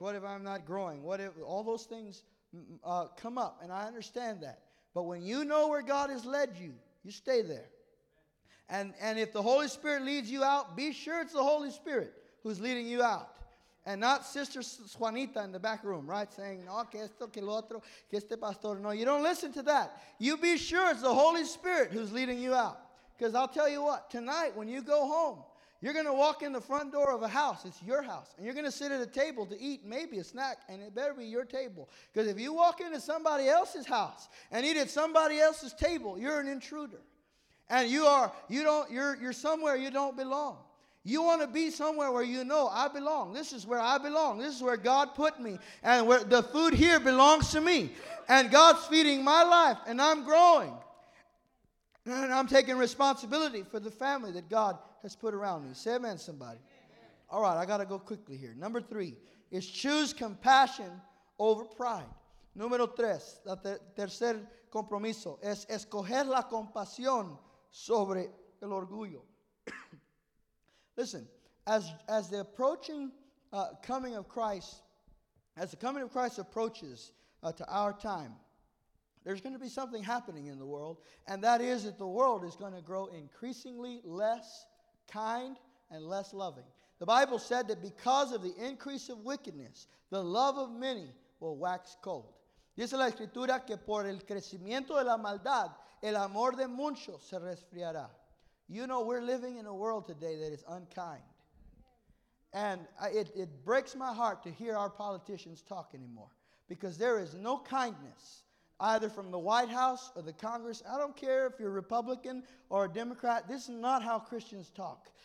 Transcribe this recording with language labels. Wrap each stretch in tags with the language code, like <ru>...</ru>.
<en>What if I'm not growing? What if all those things come up, and I understand that, but when you know where God has led you, you stay there. And if the Holy Spirit leads you out, be sure it's the Holy Spirit who's leading you out. And not Sister Juanita in the back room, right?</en> <es>Saying, no, que esto, que lo otro, que este pastor.</es> <en>No, you don't listen to that. You be sure it's the Holy Spirit who's leading you out. Because I'll tell you what, tonight when you go home, you're going to walk in the front door of a house. It's your house. And you're going to sit at a table to eat maybe a snack. And it better be your table. Because if you walk into somebody else's house and eat at somebody else's table, you're an intruder. And you're somewhere you don't belong. You want to be somewhere where you know I belong. This is where I belong. This is where God put me. And where the food here belongs to me. And God's feeding my life. And I'm growing. And I'm taking responsibility for the family that God has put around me. Say amen, somebody. Amen. All right, I got to go quickly here. Number three is choose compassion over pride.</en> <es>Número tres, la tercer compromiso, es escoger la compasión sobre el orgullo.</es> <en>Listen, as the approaching coming of Christ, as the coming of Christ approaches to our time, there's going to be something happening in the world, and that is that the world is going to grow increasingly less kind and less loving. The Bible said that because of the increase of wickedness, the love of many will wax cold.</en> <es>Dice la escritura que por el crecimiento de la maldad, el amor de muchos se resfriará.</es> <en>You know, we're living in a world today that is unkind. And it breaks my heart to hear our politicians talk anymore. Because there is no kindness, either from the White House or the Congress. I don't care if you're Republican or a Democrat. This is not how Christians talk.</en>